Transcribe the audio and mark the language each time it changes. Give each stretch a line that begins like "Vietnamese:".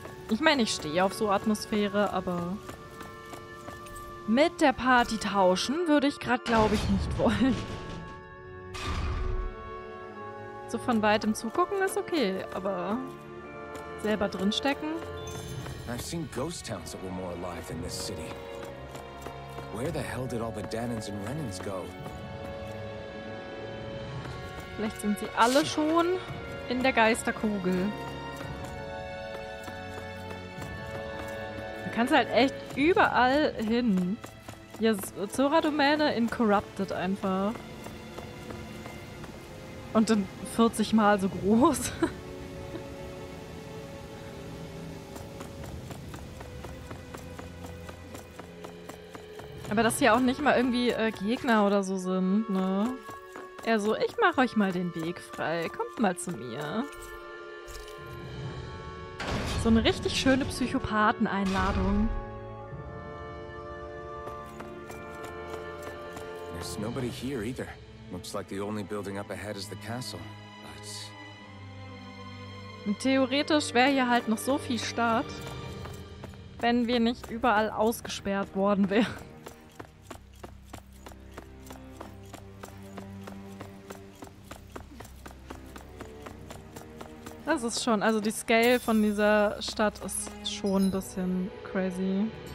German: Ich meine, ich stehe auf so Atmosphäre, aber... mit der Party tauschen würde ich gerade, glaube ich, nicht wollen. So von weitem zugucken ist okay, aber selber drinstecken.
English: I've seen ghost towns that were more alive than this city. Where the hell did all the Danons and Renans go?
German: Vielleicht sind sie alle schon in der Geisterkugel. Du kannst halt echt überall hin. Ja, Zora-Domäne in Corrupted einfach. Und dann 40 Mal so groß. Aber dass hier auch nicht mal irgendwie Gegner oder so sind, ne? Eher so, ich mach euch mal den Weg frei. Kommt mal zu mir. So eine richtig schöne Psychopathen-Einladung.
English: There's nobody here either. Looks like the only building up ahead is the castle, but...
German: Und theoretisch wäre hier halt noch so viel Stadt, wenn wir nicht überall ausgesperrt worden wären. Das ist schon, also die Scale von dieser Stadt ist schon ein bisschen crazy.